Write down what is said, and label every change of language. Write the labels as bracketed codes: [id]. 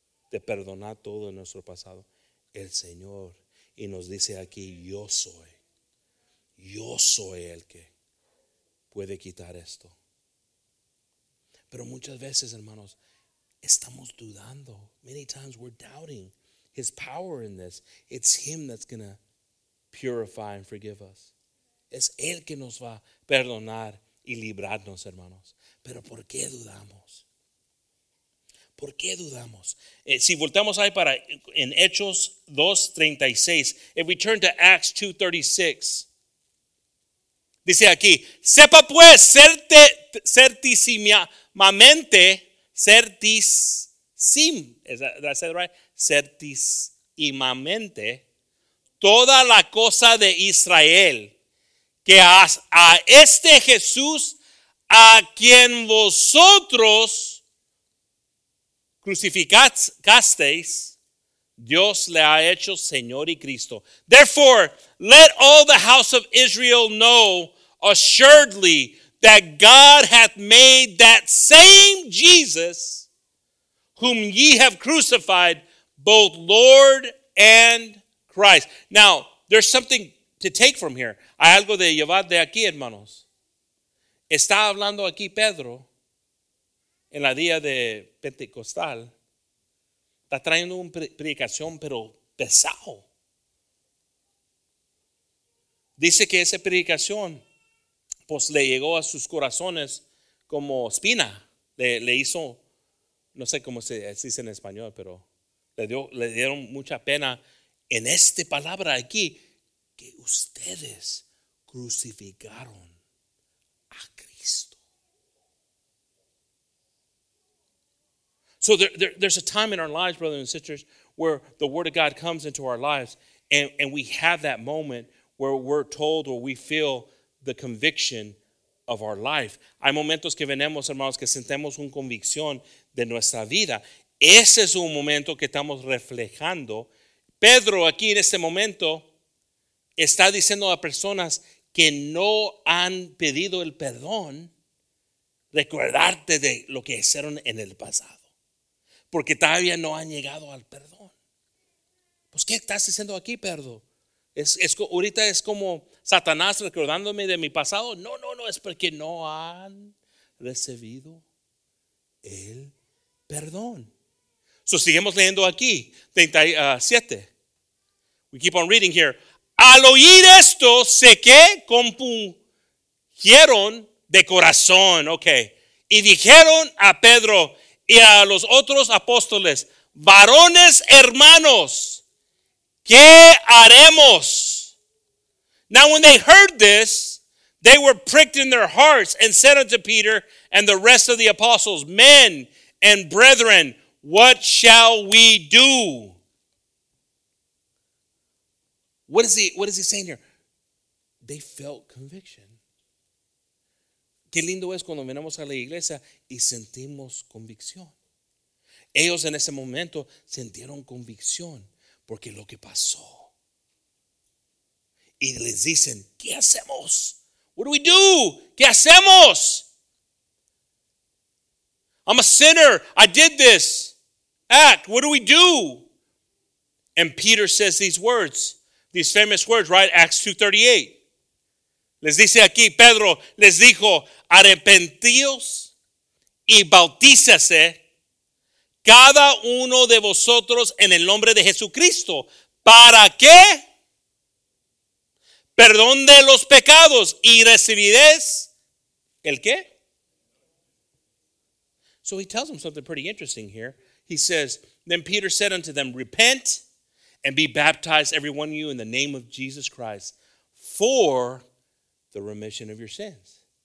[es] De perdonar todo de nuestro pasado. El Señor. Y nos dice aquí, yo soy el que puede quitar esto. Pero muchas veces, hermanos, estamos dudando. [en] Many times we're doubting his power in this. It's him that's going to purify and forgive us. [es] Es él que nos va a perdonar y librarnos, hermanos. Pero ¿por qué dudamos? ¿Por qué dudamos? Si voltamos ahí para en Hechos 2:36, [en] if we turn to Acts 2:36, [es] dice aquí, sepa pues certísimamente toda la cosa de Israel, que a este Jesús a quien vosotros crucificasteis, Dios le ha hecho Señor y Cristo. [en] Therefore, let all the house of Israel know assuredly that God hath made that same Jesus whom ye have crucified, both Lord and Christ. Now, there's something to take from here. [es] Hay algo de llevar de aquí, hermanos. Está hablando aquí Pedro. En la día de Pentecostal, está trayendo una predicación, pero pesado. Dice que esa predicación, pues le llegó a sus corazones como espina. Le hizo, no sé cómo se dice en español, pero le dieron mucha pena en esta palabra aquí, que ustedes crucificaron a Cristo. [en] So there's a time in our lives, brothers and sisters, where the word of God comes into our lives and we have that moment where we're told or we feel the conviction of our life. [es] Hay momentos que venemos, hermanos, que sentemos una convicción de nuestra vida. Ese es un momento que estamos reflejando. Pedro aquí en este momento está diciendo a personas que no han pedido el perdón, recordarte de lo que hicieron en el pasado. Porque todavía no han llegado al perdón. Pues, ¿qué estás diciendo aquí, Pedro? Ahorita es como Satanás recordándome de mi pasado. No, es porque no han recibido el perdón. [en] So, [es] seguimos leyendo aquí, 37. [en] We keep on reading here. [es] Al oír esto, sé que compungieron de corazón. Okay. Y dijeron a Pedro y a los otros apóstoles, varones hermanos, ¿qué haremos? [en] Now when they heard this, they were pricked in their hearts and said unto Peter and the rest of the apostles, men and brethren, what shall we do? What is he saying here? They felt conviction. [es] Qué lindo es cuando venimos a la iglesia y sentimos convicción. Ellos en ese momento sintieron convicción porque lo que pasó. y les dicen, ¿qué hacemos? [en] What do we do? [es] ¿Qué hacemos? [en] I'm a sinner. I did this act. What do we do? And Peter says these words, these famous words, right? Acts 2:38. [es] Les dice aquí, Pedro les dijo, arrepentíos y bautízase cada uno de vosotros en el nombre de Jesucristo. ¿Para qué? Perdón de los pecados y recibiréis el qué? [en] So he tells them something pretty interesting here. He says, then Peter said unto them, repent and be baptized every one of you in the name of Jesus Christ for the remission of your sins.